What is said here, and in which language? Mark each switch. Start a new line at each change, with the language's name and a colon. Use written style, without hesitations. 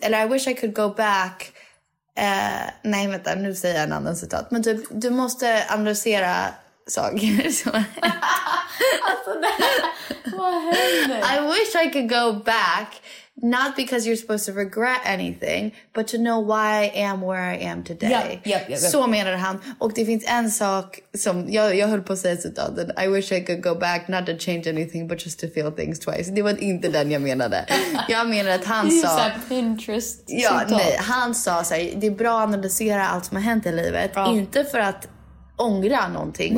Swedish: Eller
English: I wish I could go back.
Swedish: Nej vänta, nu säger jag en annan citat. Men du måste analysera saker. Alltså det här, vad händer?
English: I wish I could go back. Not because you're supposed to regret anything. But to know why I am where I am today.
Swedish: Ja. Så menar han. Och det finns en sak som... Jag höll på att säga citat.
English: That I wish I could go back. Not to change anything. But just to feel things twice.
Swedish: Det var inte den jag menade. Jag menar att han sa... Det är så Pinterest. Ja, nej. Han sa så här, det är bra att analysera allt som har hänt i livet. Bra. Inte för att ångra någonting.